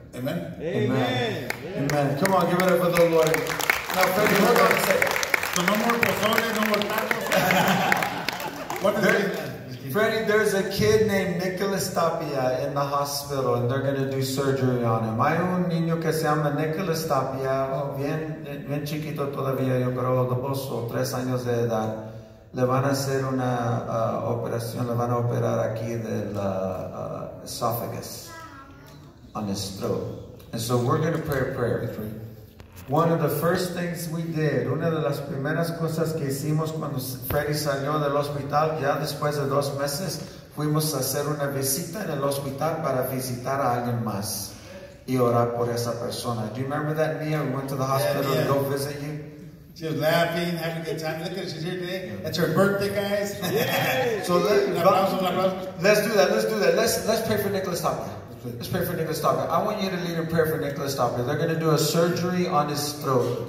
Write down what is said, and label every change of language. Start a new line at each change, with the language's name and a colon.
English: Amen? Amen. Amen. Amen. Come on, give it up for the Lord. Now, Freddie, hold on a second. So no more pozole, no more tacos. What is there, that? Freddie, there's a kid named Nicholas Tapia in the hospital, and they're going to do surgery on him.
Spanish: Hay un niño que se llama Nicholas Tapia, bien chiquito todavía, yo creo, dos o tres años de edad. Le van a hacer una operación, le van a operar aquí del esophagus
English: on his throat. And so we're going to pray a prayer for you. One of the first things we did,
Spanish: una de las primeras cosas que hicimos cuando Freddy salió del hospital, ya después de dos meses, fuimos a hacer una visita en el hospital para visitar a alguien más y orar por esa persona.
English: Do you remember that, Mia? We went to the hospital to go visit you. She was laughing, having a good time. Look at her, she's here today. That's her birthday, guys. Yeah. So let's do that. Let's pray for Nicholas Tapia. Let's pray for Nicholas Tapia. I want you to lead a prayer for Nicholas Tapia. They're going to do a surgery on his throat.